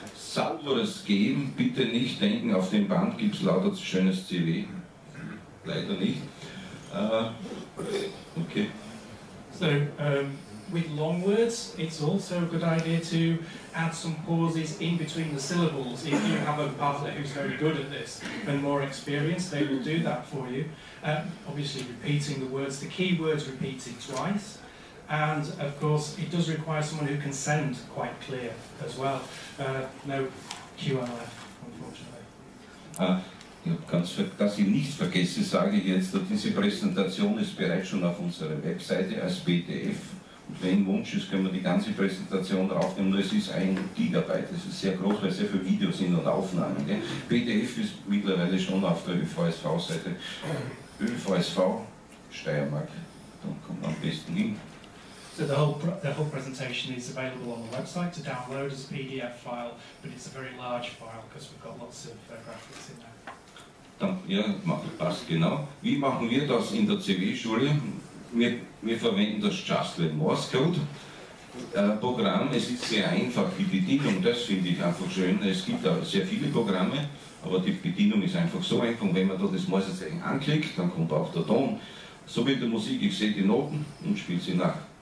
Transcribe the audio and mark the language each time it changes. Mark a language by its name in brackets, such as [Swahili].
[German] Sauberes Geben, bitte nicht denken, auf dem Band gibt es lauter schönes CV. Leider nicht. [English] Okay. So, with long words, it's also a good idea to add some pauses in between the syllables. If you have a partner who's very good at this and more experienced, they will do that for you. Obviously, repeating the words, the key words repeated twice. And, of course, it does require someone who can send quite clear as well. No QLF, unfortunately. [German] Ganz, dass ich nicht vergesse, sage ich jetzt, diese Präsentation ist bereits schon auf unserer Webseite als PDF. Und wenn Wunsch ist, können wir die ganze Präsentation draufnehmen. Nur es ist 1 GB, das ist sehr groß, weil es sehr viele Videos sind und Aufnahmen. Gell? PDF ist mittlerweile schon auf der ÖVSV-Seite. ÖVSV Steiermark, dann kommt man am besten hin. [English] So the whole presentation is available on the website to download as a PDF file, but it's a very large file because we've got lots of graphics in there. [German] Ja, passt genau. Wie machen wir das in der CW-Schule? Wir verwenden das Justlet Morse Code Programm. Es ist sehr einfach, die Bedienung, das finde ich einfach schön. Es gibt da sehr viele Programme, aber die Bedienung ist einfach so einfach. Wenn man da das Morsezeichen anklickt, dann kommt auch der Ton. So wie die Musik, ich sehe die Noten und spiele sie nach.